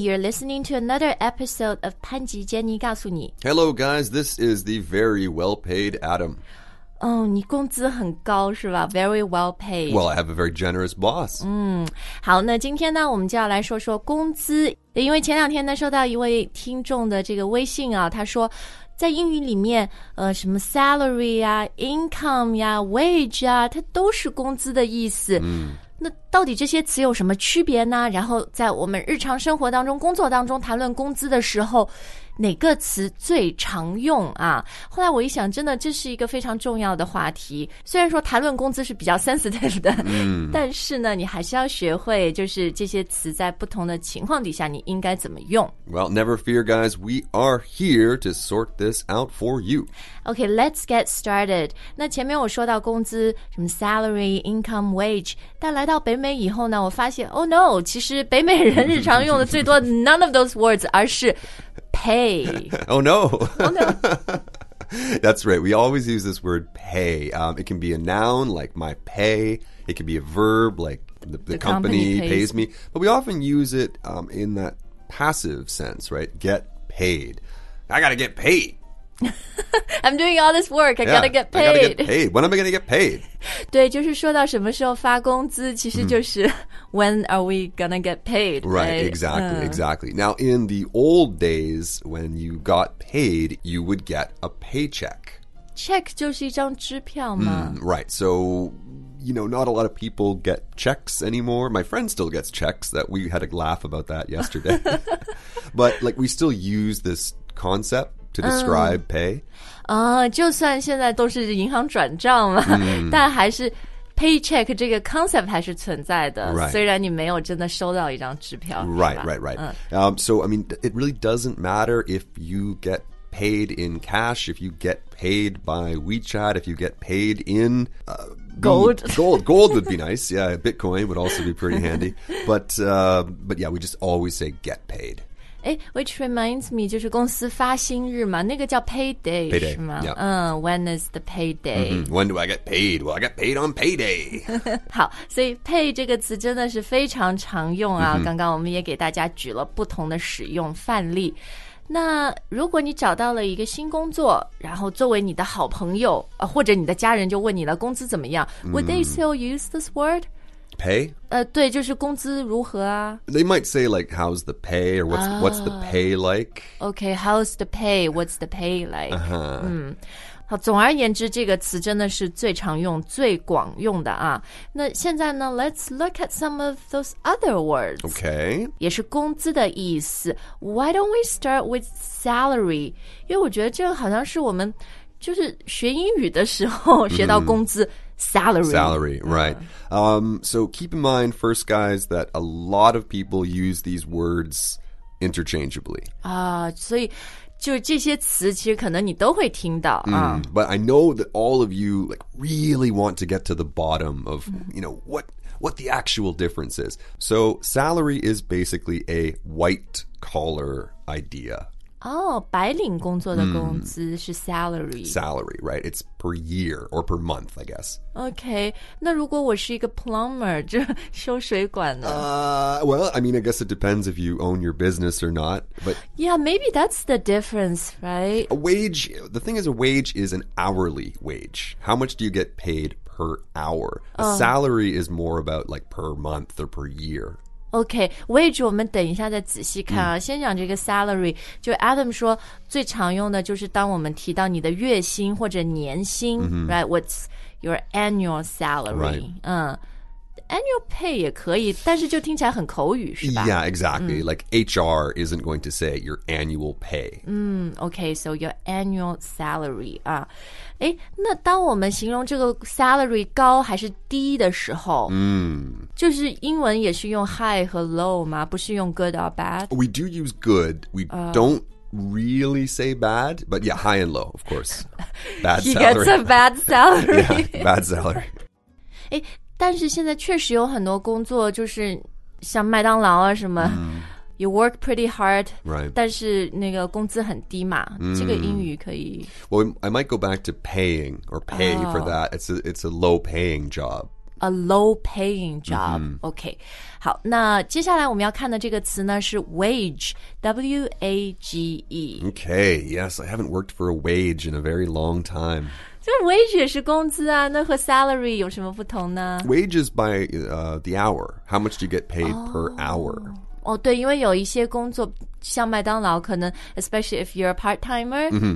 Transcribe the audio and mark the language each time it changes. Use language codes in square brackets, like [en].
[en] You're listening to another episode of 潘吉 Jenny 告诉你。 Hello, guys. This is the very well-paid Adam. [zh] Oh, 你工资很高是吧 ？ [en] Very well-paid. Well, I have a very generous boss. [zh] 好，那今天呢，我们就要来说说工资。因为前两天呢，收到一位听众的这个微信啊，他说，在英语里面，什么 salary 呀、income 呀、wage 啊，它都是工资的意思。那到底这些词有什么区别呢？然后在我们日常生活当中、工作当中谈论工资的时候，哪个词最常用啊？后来我一想，真的这是一个非常重要的话题。虽然说谈论工资是比较 sensitive 的，但是呢，你还是要学会，就是这些词在不同的情况底下，你应该怎么用。 [en] Well, never fear, guys. We are here to sort this out for you. Okay, let's get started. [zh] 那前面我说到工资，什么 salary, income, wage， 但来到北美以后呢，我发现 ， [en] Oh no， [zh] 其实北美人日常用的最多 [en] none of those words， [zh] 而是pay. [en] Oh no. Oh no. That's right. We always use this word pay. It can be a noun like my pay. It can be a verb like the company pays me. But we often use it in that passive sense, right? Get paid. I gotta get paid. I'm doing all this work. I gotta get paid. I gotta get paid. When am I gonna get paid? [zh] 对，就是说到什么时候发工资，其实就是 [en] when are we gonna get paid? Right, exactly, exactly. Now, in the old days, when you got paid, you would get a paycheck. [zh] Check 就是一张支票吗？ [en] Right. So, you know, not a lot of people get checks anymore. My friend still gets checks. That we had a laugh about that yesterday. But like, we still use this concept. To describe pay. [zh] 就算现在都是银行转账嘛，但还是 paycheck 这个 concept 还是存在的。 [en] Right. [zh] 虽然你没有真的收到一张支票。 [en] Right. So, I mean, it really doesn't matter if you get paid in cash, if you get paid by WeChat, if you get paid in gold. Gold would be nice. Yeah, Bitcoin would also be pretty handy. But yeah, we just always say get paid. Which reminds me, [zh] 就是公司发薪日嘛，那个叫 payday, 是吗？ [en] When is the payday? When do I get paid? Well, I get paid on payday. [zh] 好，所以 pay 这个词真的是非常常用啊。刚刚我们也给大家举了不同的使用范例。那如果你找到了一个新工作，然后作为你的好朋友，或者你的家人就问你了工资怎么样 ？ [en] Would they still use this word? Pay? [zh] 对，就是工资如何啊 [en] ？They might say like, "How's the pay?" or "What's what's the pay like?" Okay, how's the pay? What's the pay like? Uh-huh. [zh] 好，总而言之，这个词真的是最常用、最广用的啊。那现在呢 [en] ？Let's look at some of those other words. Okay. [zh] 也是工资的意思。 [en] Why don't we start with salary? [zh] 因为我觉得这个好像是我们就是学英语的时候学到工资。 [en] Salary, right. So keep in mind first, guys, that a lot of people use these words interchangeably. [zh] 所以就这些词其实可能你都会听到。 [en] But I know that all of you like really want to get to the bottom of, you know, what the actual difference is. So salary is basically a white collar idea. [zh] 白领工作的工资是 salary. [en] Salary, right. It's per year or per month, I guess. Okay. [zh] 那如果我是一个 plumber, 就修水管呢？ [en] Well, I mean, I guess it depends if you own your business or not. But yeah, maybe that's the difference, right? A wage, the thing is a wage is an hourly wage. How much do you get paid per hour? A salary is more about like per month or per year. [zh] Okay, wage 我们等一下再仔细看啊。先讲这个 salary, 就 Adam 说最常用的就是当我们提到你的月薪或者年薪、right? [en] What's your annual salary? Right. [zh] Annual pay 也可以，但是就听起来很口语，是吧 [en] ？Yeah, exactly.、Like HR isn't going to say your annual pay. Okay, so your annual salary. [zh] 那当我们形容这个 salary 高还是低的时候，就是英文也是用 high 和 low 吗？不是用 [en] good or bad? We do use good. We don't really say bad, but yeah, high and low, of course. Bad salary. He gets a bad salary. Yeah, bad salary. [zh] 但是现在确实有很多工作就是像麦当劳啊什么、 [en] you work pretty hard、 right. [zh] 但是那个工资很低嘛、这个英语可以 [en] Well, I might go back to paying or pay、for that. It's a low paying job. a low-paying job.、Mm-hmm. Okay. [zh] 好，那接下来我们要看的这个词呢是 wage, W-A-G-E. [en] Okay, yes, I haven't worked for a wage in a very long time. [zh] 就 wage 也是工资啊，那和 salary 有什么不同呢？ [en] Wage is by、the hour. How much do you get paid、oh, per hour? [zh] 哦，对，因为有一些工作像麦当劳可能 [en] especially if you're a part-timer,、 [zh] mm-hmm.